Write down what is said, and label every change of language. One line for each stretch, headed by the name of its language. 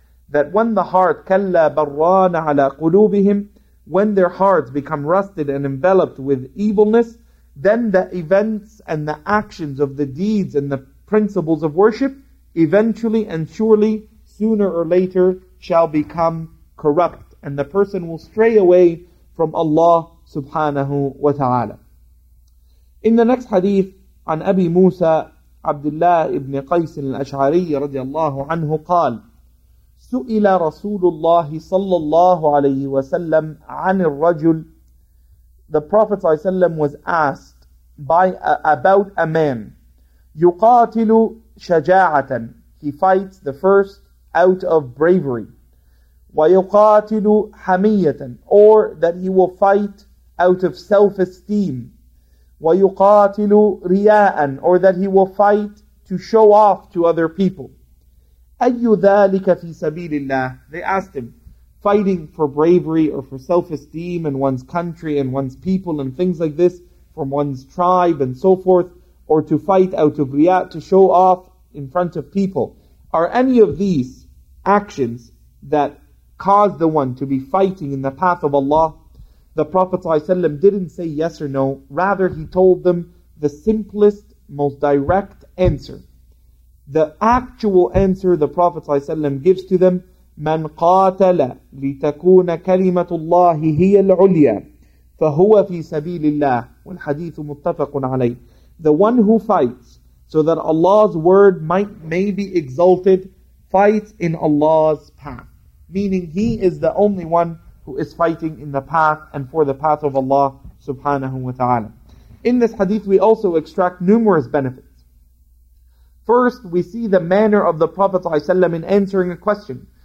English: that when the heart,
Arabic: كَلَّا بَرَّانَ عَلَىٰ قُلُوبِهِمْ,
English: when their hearts become rusted and enveloped with evilness, then the events and the actions of the deeds and the principles of worship eventually and surely, sooner or later, shall become corrupt, and the person will stray away from Allah subhanahu wa ta'ala. In the next hadith,
Arabic: عن أبي موسى عبد الله ابن قيس الأشعري رضي الله عنه قال سئل رسول الله صلى الله عليه وسلم عن الرجل.
English: The Prophet ﷺ was asked about a man.
Arabic: يقاتل شجاعة.
English: He fights the first out of bravery.
Arabic: ويقاتل حمية,
English: or that he will fight out of self-esteem.
Arabic: ويقاتل رياء,
English: or that he will fight to show off to other people.
Arabic: أي ذلك في سبيل الله?
English: They asked him, fighting for bravery or for self-esteem and one's country and one's people and things like this, from one's tribe and so forth, or to fight out of رياء, to show off in front of people. Are any of these actions that cause the one to be fighting in the path of Allah? The Prophet ﷺ didn't say yes or no. Rather, he told them the simplest, most direct answer. The actual answer the Prophet ﷺ gives to them,
Arabic: مَنْ قَاتَلَ لِتَكُونَ كَلِمَةُ اللَّهِ هِيَ الْعُلْيَا فَهُوَ فِي سَبِيلِ اللَّهِ وَالْحَدِيثُ مُتَّفَقٌ عَلَيْهِ.
English: The one who fights so that Allah's word may be exalted, fights in Allah's path. Meaning he is the only one who is fighting in the path and for the path of Allah subhanahu wa ta'ala. In this hadith we also extract numerous benefits. First, we see the manner of the Prophet ﷺ in answering a question.